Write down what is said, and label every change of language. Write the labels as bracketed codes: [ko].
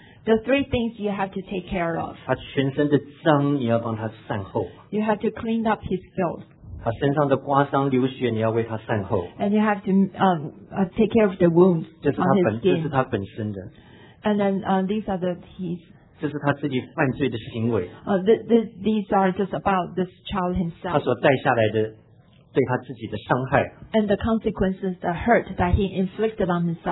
[en] The three things you have to take care of. [zh] 他全身的脏你要帮他善后。 [en] You have to clean up his filth. [zh] 他身上的刮伤流血你要为他善后。 [en] And you have to take care of the wounds. [zh] 这是他本身的。 [en] And then these are the keys. [zh] 这是他自己犯罪的行为。 [en] These are just about this child himself. [zh] 他所带下来的对他自己的伤害。 [en] And the consequences, the hurt that he inflicted on himself.